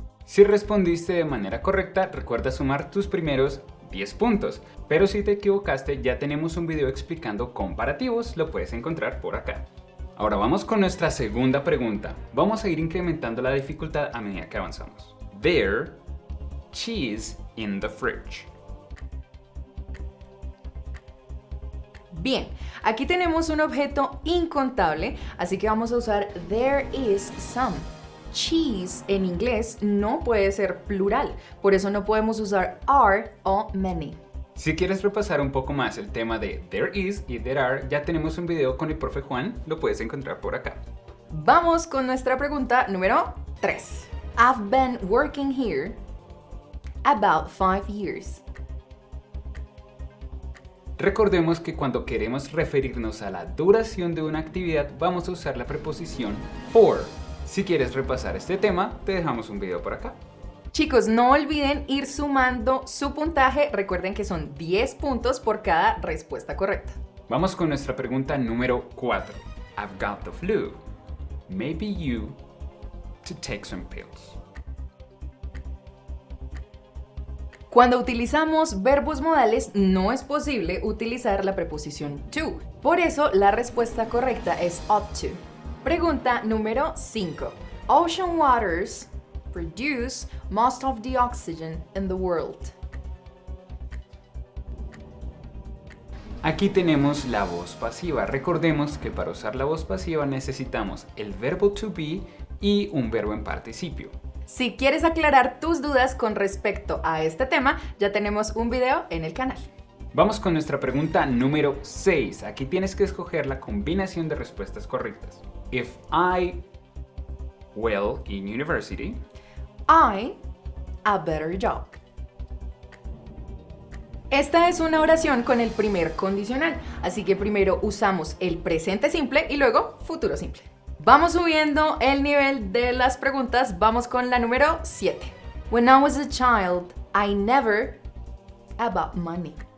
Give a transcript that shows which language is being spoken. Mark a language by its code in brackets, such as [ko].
[es] Si respondiste de manera correcta, recuerda sumar tus primeros 10 puntos. Pero si te equivocaste, ya tenemos un video explicando comparativos, lo puedes encontrar por acá. Ahora vamos con nuestra segunda pregunta. Vamos a ir incrementando la dificultad a medida que avanzamos. [en] There's cheese in the fridge. [es] Bien, aquí tenemos un objeto incontable, así que vamos a usar [en] there is some. [es] Cheese en inglés no puede ser plural, por eso no podemos usar are o many. Si quieres repasar un poco más el tema de [en] there is [es] y [en] there are, [es] ya tenemos un video con el profe Juan, lo puedes encontrar por acá. Vamos con nuestra pregunta número 3. [en] I've been working here about 5 years. [es] Recordemos que cuando queremos referirnos a la duración de una actividad, vamos a usar la preposición for. Si quieres repasar este tema, te dejamos un video por acá. Chicos, no olviden ir sumando su puntaje. Recuerden que son 10 puntos por cada respuesta correcta. Vamos con nuestra pregunta número 4. [en] I've got the flu. Maybe you to take some pills. [es] Cuando utilizamos verbos modales, no es posible utilizar la preposición to. Por eso, la respuesta correcta es ought to. Pregunta número 5. [en] Ocean waters produce most of the oxygen in the world. [es] Aquí tenemos la voz pasiva. Recordemos que para usar la voz pasiva necesitamos el verbo to be y un verbo en participio. Si quieres aclarar tus dudas con respecto a este tema, ya tenemos un video en el canal. Vamos con nuestra pregunta número 6. Aquí tienes que escoger la combinación de respuestas correctas. [en] If I well in university, I a better job. [es] Esta es una oración con el primer condicional, así que primero usamos el presente simple y luego futuro simple. Vamos subiendo el nivel de las preguntas, vamos con la número 7. [en] When I was a child, I never about money.